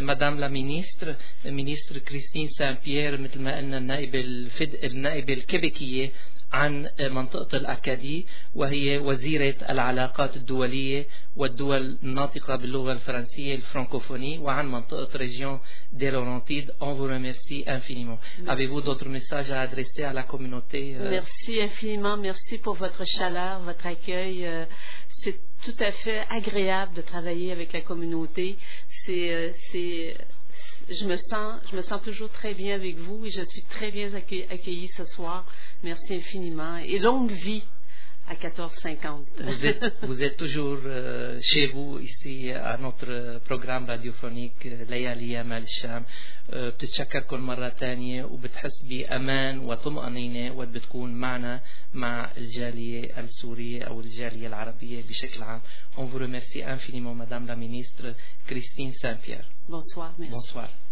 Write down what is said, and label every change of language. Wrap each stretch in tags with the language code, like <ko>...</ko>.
<ar>مدام لا مينيستر، مينيستر كريستين سان بيير، مثل ما قلنا النائبة الكيبيكية عن منطقة الأكادي وهي وزيرة العلاقات الدولية والدول الناطقة باللغة الفرنسية الفرانكوفوني وعن منطقة ريجيون دي لورانتيد،</ar> <fr>اون فو ريميرسي انفينيمون. avez-vous d'autres messages à adresser à la communauté? Merci infiniment, merci pour votre chaleur, votre accueil. C'est tout à fait agréable de travailler avec la communauté. Je me sens toujours très bien avec vous et je suis très bien accueillie ce soir. Merci infiniment et longue vie à 14:50. Vous êtes toujours chez vous ici à notre programme radiophonique ليالي يامال الشام.</fr> <ar>بتتشكر كل مرة تانية وبتحس بأمان وطمأنينة وبتكون معنا مع الجالية السورية أو الجالية العربية بشكل عام.</ar> <fr>On vous remercie infiniment, Madame la Ministre Christine Saint-Pierre. Bonsoir. Merci. Bonsoir.</fr>